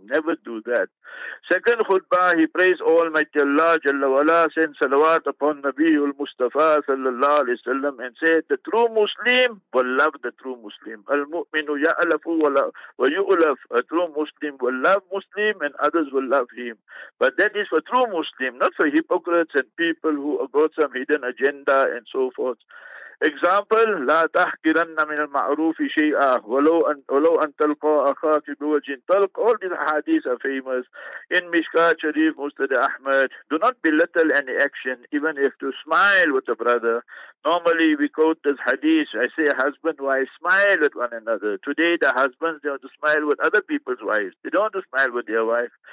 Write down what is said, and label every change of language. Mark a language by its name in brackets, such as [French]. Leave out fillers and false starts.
[English] Never do that. Second khutbah, he prays Almighty Allah Jalla Wala, send salawat upon Nabiul Mustafa Sallallahu Alaihi Wasallam and said, the true Muslim will love the true Muslim. [Arabic] Al mu'minu ya'alafu wa yu'alaf. [English] A true Muslim will love Muslim and others will love him. But that is for true Muslim, not for hypocrites and people who have got some hidden agenda and so forth. Example, [Arabic] لا تحقرن من المعروف شيئا ولو أن تلقى أخاك بوجه تلق. [English] All these hadiths are famous. In Mishkat Sharif, Mustad Ahmad, do not belittle any action, even if to smile with a brother. Normally, we quote this hadith, I say, husband, wife, smile at one another. Today, the husbands, they want to smile with other people's wives. They don't want to smile with their wife.